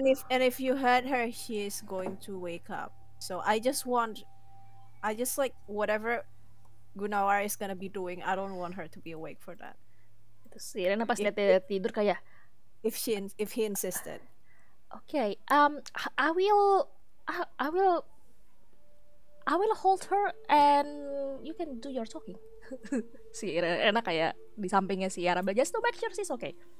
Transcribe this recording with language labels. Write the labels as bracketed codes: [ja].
[en] and if you heard her, she is going to wake up. So I just want, I just like whatever Goonawara is gonna be doing. I don't want her to be awake for that. [id] Sirena pas lihat dia tidur kayak. [en] If he insisted. Okay. I will hold her and you can do your talking. [id] Si Irena kayak di sampingnya si Arabella, [en] just to make sure she's okay.